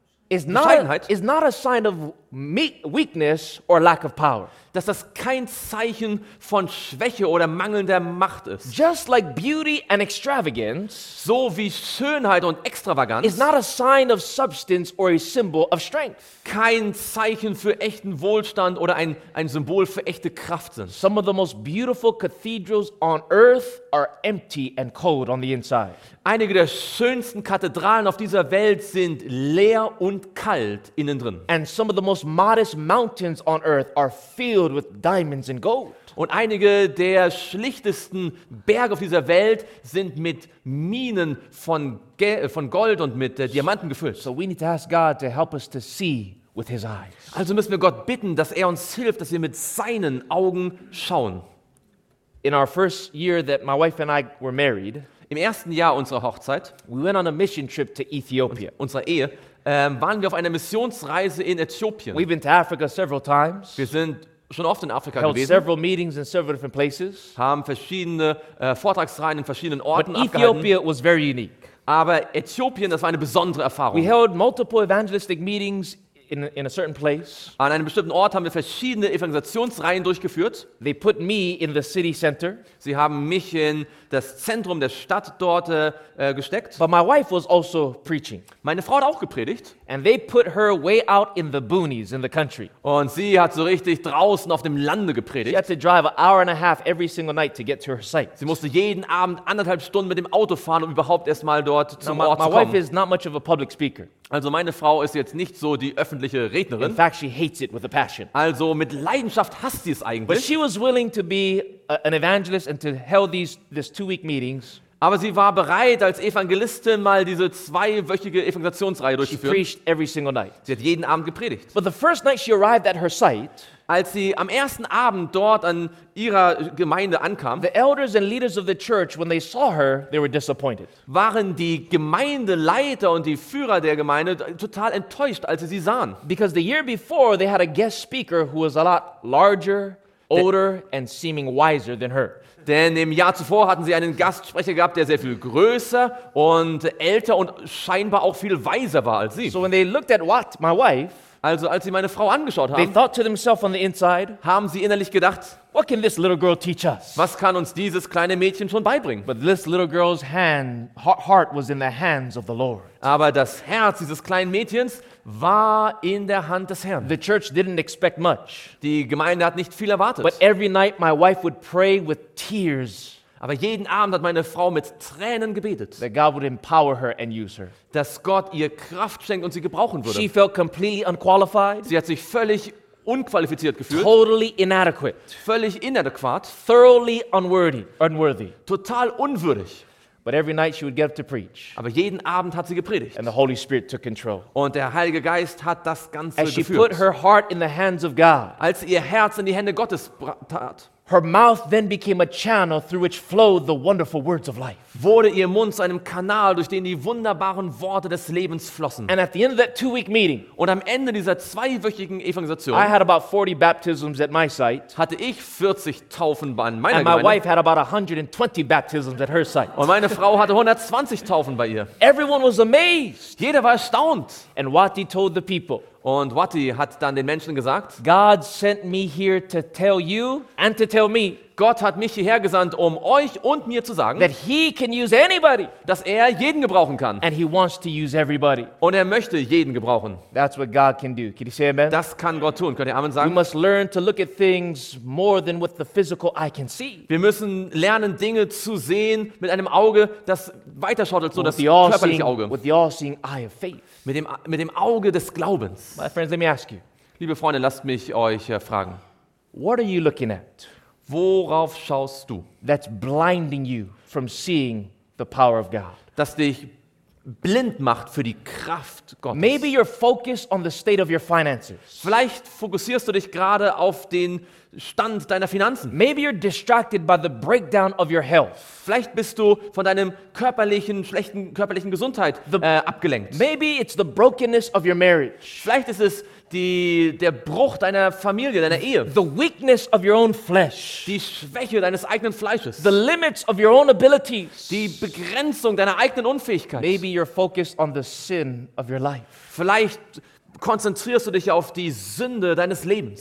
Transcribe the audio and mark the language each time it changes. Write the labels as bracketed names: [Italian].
[English] is not a sign of weakness or lack of power. [German] Dass das kein Zeichen von Schwäche oder mangelnder Macht ist. [English] Just like beauty and extravagance, [German] so wie Schönheit und Extravaganz, [English] is not a sign of substance or a symbol of strength. [German] Kein Zeichen für echten Wohlstand oder ein Symbol für echte Kraft sind. [English] Some of the most beautiful cathedrals on earth are empty and cold on the inside. [German] Einige der schönsten Kathedralen auf dieser Welt sind leer und kalt innen drin. [English] And some of the most modest mountains on earth are filled with diamonds and gold. [German] Und einige der schlichtesten Berge auf dieser Welt sind mit Minen von Gold und mit Diamanten gefüllt. [English] So we need to ask God to help us to see with his eyes. [German] Also müssen wir Gott bitten, dass er uns hilft, dass wir mit seinen Augen schauen. [English] In our first year that my wife and I were married, [German] im ersten Jahr unserer Hochzeit, [English] we went on a mission trip to Ethiopia. [German] Unserer Ehe waren wir auf einer Missionsreise in Äthiopien. [English] We've been to Africa several times. [German] Wir sind schon oft in Afrika [English] held [German] gewesen. [English] Several meetings in several different places. [German] Haben verschiedene Vortragsreihen in verschiedenen Orten [English] But Ethiopia [German] abgehalten. [English] Was very unique. [German] Aber Äthiopien, das war eine besondere Erfahrung. [English] We held multiple evangelistic meetings in a certain place. [German] An einem bestimmten Ort haben wir verschiedene Evangelisationsreihen durchgeführt. [English] They put me in the city center. [German] Sie haben mich in das Zentrum der Stadt dort gesteckt. [English] But my wife was also preaching. [German] Meine Frau hat auch gepredigt. [English] And they put her way out in the boonies in the country. [German] Und sie hat so richtig draußen auf dem Lande gepredigt. [English] She had to drive an hour and a half every single night to get to her site. [German] Sie musste jeden Abend anderthalb Stunden mit dem Auto fahren, um überhaupt erstmal dort zum Ort zu kommen. [English] My wife is not much of a public speaker. [German] Also meine Frau ist jetzt nicht so die öffentliche Rednerin. [English] In fact, she hates it with a passion. [German] Also mit Leidenschaft hasst sie es eigentlich. [English] But she was willing to be an evangelist and to hold these 2 week meetings. [German] Aber sie war bereit, als Evangelistin mal diese zweiwöchige Evangelisationsreihe durchzuführen. [English] She preached every single night. [German] Sie hat jeden Abend gepredigt. [English] But the first night she arrived at her site, [German] als sie am ersten Abend dort an ihrer Gemeinde ankam, [English] the elders and leaders of the church, when they saw her, they were disappointed. [German] Waren die Gemeindeleiter und die Führer der Gemeinde total enttäuscht, als sie sie sahen. [English] Because the year before they had a guest speaker who was a lot larger, older and seeming wiser than her. [German] Denn im Jahr zuvor hatten sie einen Gastsprecher gehabt, der sehr viel größer und älter und scheinbar auch viel weiser war als sie. [English] So when they looked at what my wife, [German] also als sie meine Frau angeschaut haben, [English] they thought to themselves on the inside, [German] haben sie innerlich gedacht, [English] what can this little girl teach us? [German] Was kann uns dieses kleine Mädchen schon beibringen? [English] But this little girl's heart was in the hands of the Lord. [German] Aber das Herz dieses kleinen Mädchens war in der Hand des Herrn. [English] The church didn't expect much. [German] Die Gemeinde hat nicht viel erwartet. [English] But every night my wife would pray with tears. [German] Aber jeden Abend hat meine Frau mit Tränen gebetet. [English] That God would empower her and use her. [German] Dass Gott ihr Kraft schenkt und sie gebrauchen würde. [English] She felt completely unqualified. [German] Sie hat sich völlig unqualifiziert gefühlt. [English] Totally inadequate. [German] Völlig inadäquat. [English] Thoroughly unworthy. Unworthy. [German] Total unwürdig. [English] But every night she would get up to preach. [German] Aber jeden Abend hat sie gepredigt. [English] And the Holy Spirit took control. [German] Und der Heilige Geist hat das Ganze geführt. [English] As she put her heart in the hands of God. [German] Als ihr Herz in die Hände Gottes tat. [English] Her mouth then became a channel through which flowed the wonderful words of life. [German] Wurde ihr Mund zu einem Kanal, durch den die wunderbaren Worte des Lebens flossen. [English] And at the end of that 2 week meeting, [German] und am Ende dieser zweiwöchigen Evangelisation, [English] I had about 40 baptisms at my site. [German] Hatte ich 40 Taufen bei meiner Gemeinde. [English] And my wife had about 120 baptisms at her site. [German] Und meine Frau hatte 120 Taufen bei ihr. [English] Everyone was amazed. [German] Jeder war erstaunt. [English] And Wati told the people. [German] Und Wati hat dann den Menschen gesagt, [English] God sent me here to tell you and to tell me. [German] Gott hat mich hierher gesandt, um euch und mir zu sagen, [English] that he can use anybody. [German] Dass er jeden gebrauchen kann. [English] And he wants to use everybody. [German] Und er möchte jeden gebrauchen. [English] That's what God can do. Can you say amen? [German] Das kann Gott tun. Könnt ihr Amen sagen? [English] We must learn to look at things more than what the physical eye can see. [German] Wir müssen lernen, Dinge zu sehen mit einem Auge, das weiterschaut als nur das körperliche Auge. [English] With the all-seeing eye of faith. [German] Mit dem Auge des Glaubens. [English] My friends, let me ask you. [German] Liebe Freunde, lasst mich euch fragen. [English] What are you looking at? [German] Worauf schaust du? [English] That's blinding you from seeing the power of God. [German] Das dich blind macht für die Kraft Gottes. [English] Maybe you're focused on the state of your finances. [German] Vielleicht fokussierst du dich gerade auf den Stand deiner Finanzen. [English] Maybe you're distracted by the breakdown of your health. [German] Vielleicht bist du von deinem schlechten körperlichen Gesundheit abgelenkt. [English] Maybe it's the brokenness of your marriage. [German] Vielleicht ist es der Bruch deiner Familie, deiner Ehe. [English] The weakness of your own flesh. [German] Die Schwäche deines eigenen Fleisches. [English] The limits of your own abilities. [German] Die Begrenzung deiner eigenen Unfähigkeit. [English] Maybe you're focused on the sin of your life. [German] Vielleicht konzentrierst du dich auf die Sünde deines Lebens.